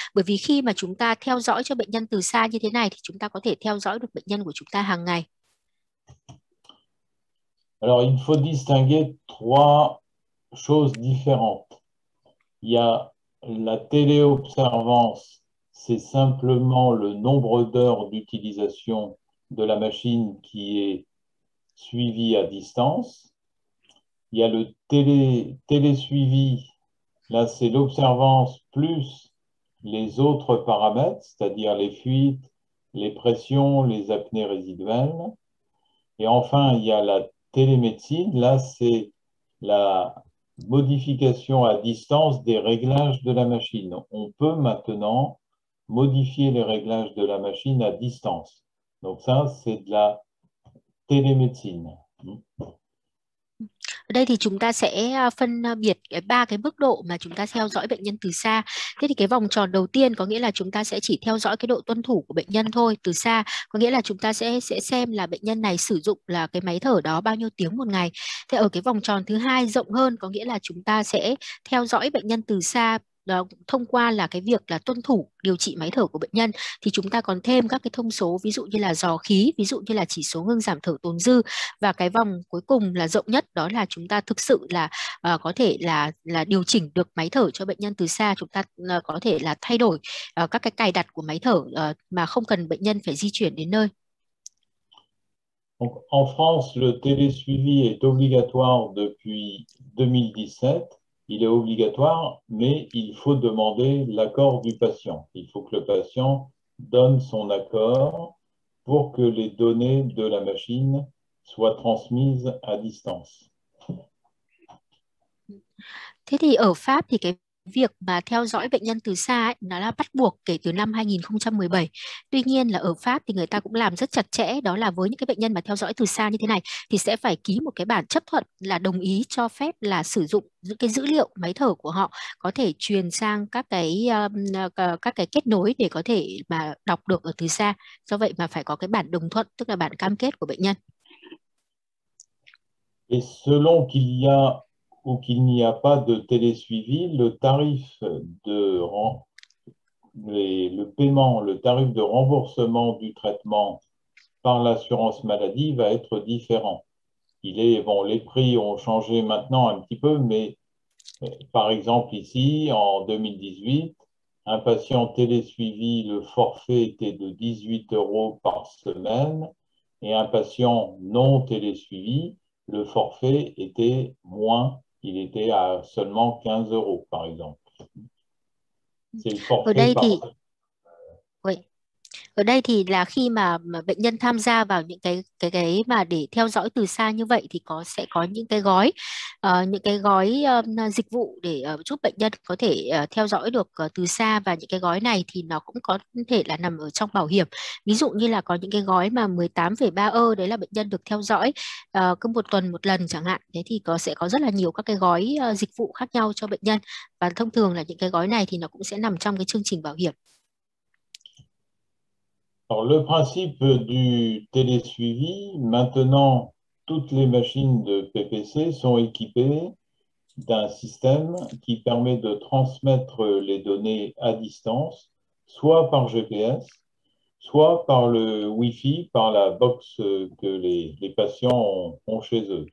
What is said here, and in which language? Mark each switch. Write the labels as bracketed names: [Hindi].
[Vietnamese] Bởi vì khi mà chúng ta theo dõi cho bệnh nhân từ xa như thế này thì chúng ta có thể theo dõi được bệnh nhân của chúng ta hàng ngày. [French] Alors, il faut distinguer trois choses différentes. Il y a la téléobservance, c'est simplement le nombre d'heures d'utilisation de la machine qui est suivie à distance. Il y a le télésuivi, là c'est l'observance plus les autres paramètres, c'est-à-dire les fuites, les pressions, les apnées résiduelles. Et enfin, il y a la télémédecine, là c'est la modification à distance des réglages de la machine. On peut maintenant modifier les réglages de la machine à distance. Donc ça, c'est de la télémédecine. [Vietnamese] Ở đây thì chúng ta sẽ phân biệt cái ba cái mức độ mà chúng ta theo dõi bệnh nhân từ xa. Thế thì cái vòng tròn đầu tiên có nghĩa là chúng ta sẽ chỉ theo dõi cái độ tuân thủ của bệnh nhân thôi, từ xa. Có nghĩa là chúng ta sẽ xem là bệnh nhân này sử dụng là cái máy thở đó bao nhiêu tiếng một ngày. Thế ở cái vòng tròn thứ hai rộng hơn có nghĩa là chúng ta sẽ theo dõi bệnh nhân từ xa đó, thông qua là cái việc là tuân thủ điều trị máy thở của bệnh nhân thì chúng ta còn thêm các cái thông số ví dụ như là dò khí, ví dụ như là chỉ số ngưng giảm thở tồn dư và cái vòng cuối cùng là rộng nhất đó là chúng ta thực sự là có thể là điều chỉnh được máy thở cho bệnh nhân từ xa, chúng ta có thể là thay đổi các cái cài đặt của máy thở mà không cần bệnh nhân phải di chuyển đến nơi. [French] Donc, en France, le télésuivi est obligatoire depuis 2017. Il est obligatoire, mais il faut demander l'accord du patient. Il faut que le patient donne son accord pour que les données de la machine soient transmises à distance. [Vietnamese] Thế thì ở Pháp thì cái việc mà theo dõi bệnh nhân từ xa ấy, nó là bắt buộc kể từ năm 2017. Tuy nhiên là ở Pháp thì người ta cũng làm rất chặt chẽ, đó là với những cái bệnh nhân mà theo dõi từ xa như thế này thì sẽ phải ký một cái bản chấp thuận là đồng ý cho phép là sử dụng những cái dữ liệu máy thở của họ có thể truyền sang các cái kết nối để có thể mà đọc được ở từ xa. Do vậy mà phải có cái bản đồng thuận, tức là bản cam kết của bệnh nhân. [French] Et selon qu'il y a ou qu'il n'y a pas de télésuivi, le tarif de le paiement, le tarif de remboursement du traitement par l'assurance maladie va être différent. Bon, les prix ont changé maintenant un petit peu, mais par exemple ici, en 2018, un patient télésuivi, le forfait était de 18 euros par semaine et un patient non télésuivi, le forfait était moins, il était à seulement 15 euros, par exemple. C'est le [Vietnamese] Ở [French] forfait [Vietnamese] đây [French] par [Vietnamese] thì [French] semaine. [Vietnamese] Ở đây thì là khi mà bệnh nhân tham gia vào những cái mà để theo dõi từ xa như vậy thì sẽ có những cái gói dịch vụ để giúp bệnh nhân có thể theo dõi được từ xa, và những cái gói này thì nó cũng có thể là nằm ở trong bảo hiểm. Ví dụ như là có những cái gói mà 18,3 ơ, đấy là bệnh nhân được theo dõi cứ 1 tuần 1 lần chẳng hạn. Thế thì sẽ có rất là nhiều các cái gói dịch vụ khác nhau cho bệnh nhân, và thông thường là những cái gói này thì nó cũng sẽ nằm trong cái chương trình bảo hiểm. [French] Alors, le principe du télésuivi, maintenant, toutes les machines de PPC sont équipées d'un système qui permet de transmettre les données à distance, soit par GPS, soit par le Wi-Fi, par la box que les patients ont chez eux.